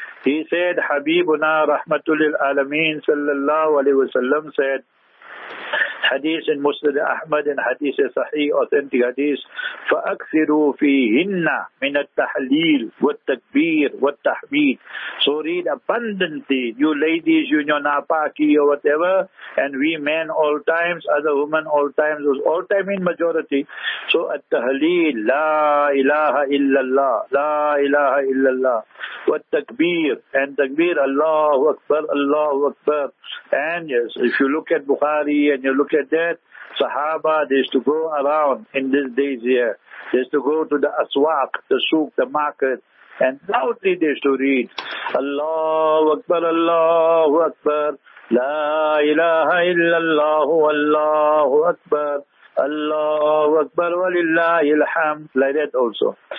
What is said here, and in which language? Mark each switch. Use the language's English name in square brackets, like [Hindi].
[English] He said, Habibuna rahmatulil alameen sallallahu alayhi wa sallam said, hadith in Musnad Ahmad and hadith in Sahih, authentic hadith, [Arabic] فَأَكْثِرُوا فِيهِنَّ مِنَ التَّحْلِيلِ وَالتَّكْبِيرِ وَالتَّحْمِيدِ. [English] So read abundantly, you ladies, you know, napaki or whatever, and we men all times, other women all times, all time in majority. [Arabic] So التَّحْلِيل, لا إله إلا الله, لا إله إلا الله, والتكبير, and تكبير, Allahu Akbar, Allahu Akbar. [English] And yes, if you look at Bukhari and you look at that, Sahaba, they used to go around in these days here. They used to go to the aswaq, the souk, the market, and loudly they used to read, Allahu Akbar, Allahu Akbar, La ilaha illallah, Allahu Akbar, Allahu Akbar, walillahi alhamd, like that also.